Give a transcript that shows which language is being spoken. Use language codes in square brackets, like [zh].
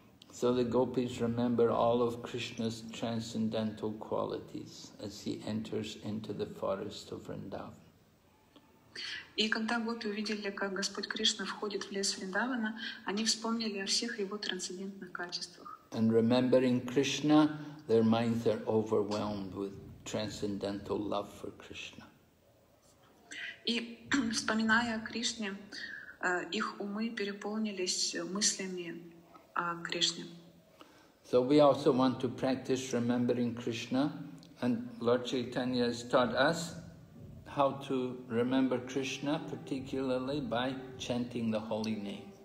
[en] So the gopis remember all of Krishna's transcendental qualities as he enters into the forest of Vrindavan. [ru] И когда гопи увидели, как Господь Кришна входит в лес Вриндавана, они вспомнили о всех его трансцендентных качествах. [en] And remembering Krishna, their minds are overwhelmed with transcendental love for Krishna. [ru] И вспоминая о Кришне, их умы переполнились мыслями о Кришне. [en] So we also want to practice remembering Krishna, and Lord Chaitanya has taught us how to remember Krishna, particularly by chanting the holy name.